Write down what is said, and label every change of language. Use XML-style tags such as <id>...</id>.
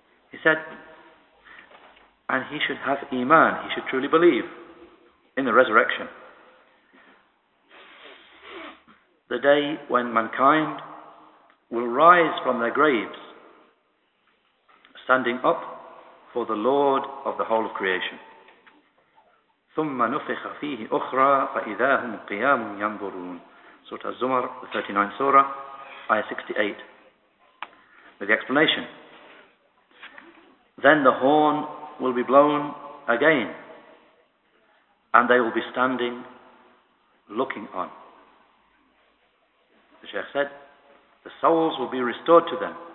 <en>He said, and he should have iman, he should truly believe in the resurrection, the day when mankind will rise from their graves, standing up for the Lord of the whole of creation.</en> <ar>ثُمَّ نُفِخَ فِيهِ أُخْرَى فَإِذَا هُمْ قِيَامٌ يَنْظُرُونَ</ar> <en>Surah Az-Zumar, the 39th Surah, Ayah 68. With the explanation, then the horn will be blown again, and they will be standing looking on. The Shaykh said, the souls will be restored to them.</en>